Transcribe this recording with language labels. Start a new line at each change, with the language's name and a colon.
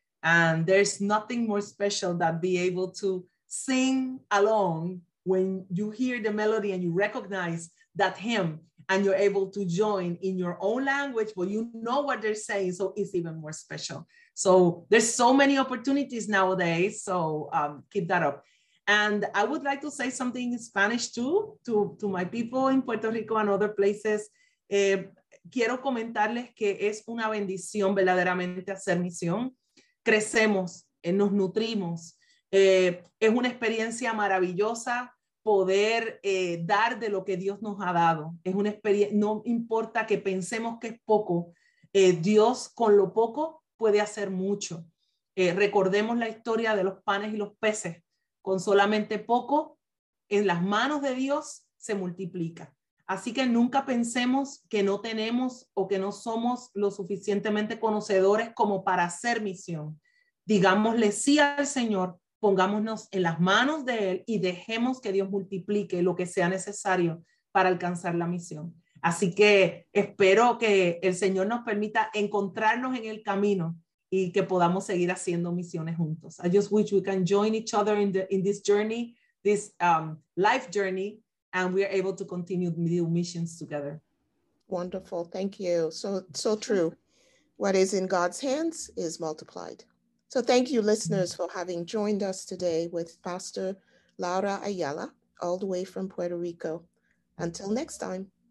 English: And there's nothing more special than be able to sing along when you hear the melody and you recognize that hymn, and you're able to join in your own language, but you know what they're saying, so it's even more special. So there's so many opportunities nowadays, so keep that up. And I would like to say something in Spanish too, to my people in Puerto Rico and other places.
Spanish: Quiero comentarles que es una bendición verdaderamente hacer misión. Crecemos, nos nutrimos. Es una experiencia maravillosa poder dar de lo que Dios nos ha dado. Es una experiencia, no importa que pensemos que es poco, Dios con lo poco puede hacer mucho. Recordemos la historia de los panes y los peces. Con solamente poco, en las manos de Dios se multiplica. Así que nunca pensemos que no tenemos o que no somos lo suficientemente conocedores como para hacer misión. Digámosle sí al Señor, pongámonos en las manos de Él y dejemos que Dios multiplique lo que sea necesario para alcanzar la misión. Así que espero que el Señor nos permita encontrarnos en el camino y que podamos seguir haciendo misiones juntos.
English: I just wish we can join each other in this journey, this life journey, and we are able to continue the missions together. Wonderful. Thank you. So true. What is in God's hands is multiplied. So thank you, listeners, for having joined us today with Pastor Laura Ayala, all the way from Puerto Rico. Until next time.